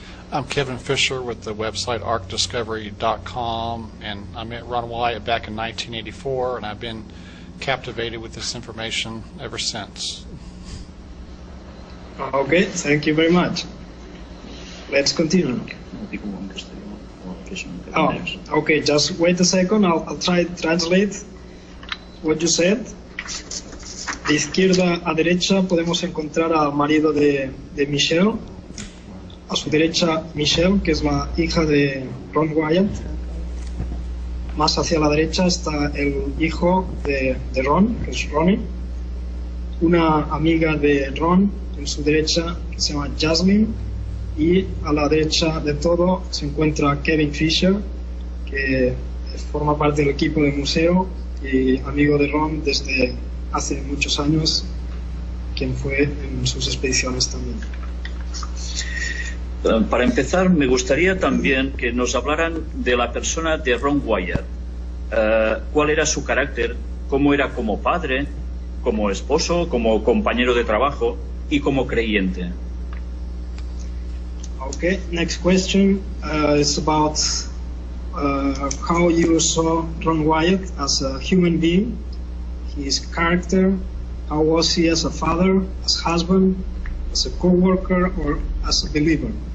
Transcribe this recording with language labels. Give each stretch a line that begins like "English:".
English: I'm Kevin Fisher with the website arcdiscovery.com, and I met Ron Wyatt back in 1984, and I've been captivated with this information ever since. Okay, thank you very much. Let's continue. Oh, okay, just wait a second, I'll try to translate what you said.
Spanish: De izquierda a derecha podemos encontrar al marido de Michelle. A su derecha, Michelle, que es la hija de Ron Wyatt. Más hacia la derecha está el hijo de Ron, que es Ronnie. Una amiga de Ron, en su derecha, que se llama Jasmine. Y a la derecha de todo se encuentra Kevin Fisher, que forma parte del equipo del museo y amigo de Ron desde hace muchos años, quien fue en sus expediciones también. Para empezar, me gustaría también que nos hablaran de la persona de Ron Wyatt. ¿Cuál era su carácter? ¿Cómo era como padre? como esposo, como compañero de trabajo y como creyente.
English: Okay, next question is about how you saw Ron Wyatt as a human being, his character, how was he as a father, as husband, as a co-worker, or as a believer?